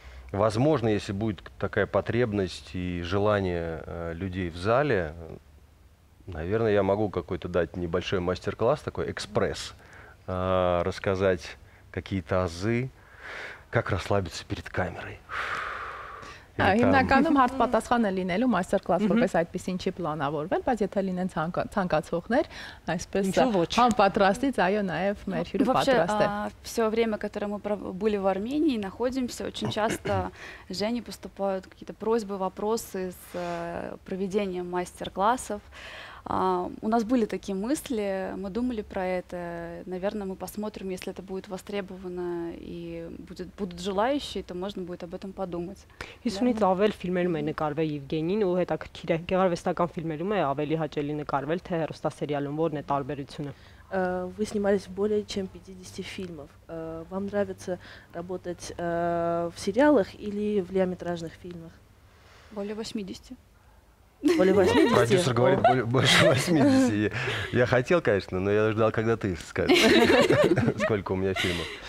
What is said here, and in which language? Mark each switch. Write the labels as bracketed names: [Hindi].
[Russian] Возможно, если будет такая потребность и желание людей в зале, наверное, я могу какой-то дать небольшой мастер-класс, такой экспресс, рассказать какие-то азы, как расслабиться перед камерой. [Armenian] Հիմնականում հարց պատասխանը լինելու մաստեր-կլաս, որպես այդպեսին չի պլանավորվել, բայց եթե լինեն ցանկացողներ, այսպես համ պատրաստից, այո, նաև մեր հյուրը պատրաստ է։ [Russian] Всё время, которое мы были в Армении, находимся, очень часто Жене поступают какие-то просьбы, вопросы с проведением мастер-классов. У нас были такие мысли, мы думали про это. Наверное, мы посмотрим, если это будет востребовано и будут желающие, то можно будет об этом подумать. [Armenian] Իսունից ավել ֆիլմերում է նկարվել Եվգենին ու հետաքրքիր է, գեղարվեստական ֆիլմերում է ավելի հաճելի նկարվել, թե հեռուստասերիալում, որն է տարբերությունը։ [Russian] Вы снимались более чем 50 фильмов. Вам нравится работать в сериалах или в лиаметражных фильмах? Более 80. Более 80. Продюсер говорит, больше 80. Я хотел, конечно, но я ждал, когда ты скажешь, сколько у меня фильмов.